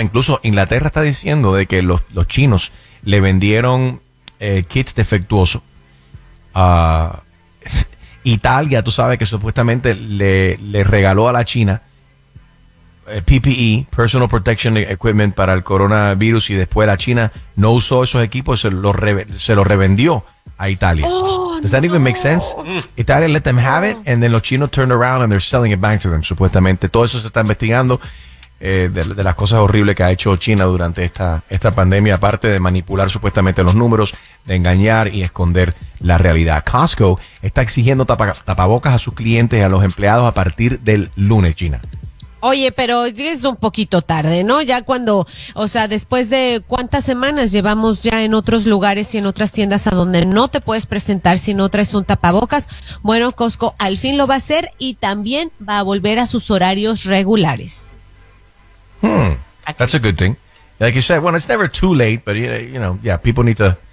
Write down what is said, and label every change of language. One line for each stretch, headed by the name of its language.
Spanish: Incluso Inglaterra está diciendo de que los chinos le vendieron kits defectuosos a... Italia, tú sabes que supuestamente le regaló a la China PPE, Personal Protection Equipment, para el coronavirus, y después la China no usó esos equipos, se los revendió a Italia.
English: Oh, does that even make sense? Italia let them have it, and then
Spanish: los chinos
English: turned around and they're selling it back to them,
Spanish: supuestamente. Todo eso se está investigando de las cosas horribles que ha hecho China durante esta pandemia, aparte de manipular supuestamente los números, de engañar y esconder la realidad. Costco está exigiendo tapabocas a sus clientes y a los empleados a partir del lunes, China. Oye, pero es un poquito tarde, ¿no? Ya cuando, o sea, después de cuántas semanas llevamos ya en otros lugares y en otras tiendas a donde no te puedes presentar si no traes un tapabocas. Bueno, Costco al fin lo va a hacer y también va a volver a sus horarios regulares.
English: That's a good thing. Like you said, well, it's never too late, but you know, yeah, people need to.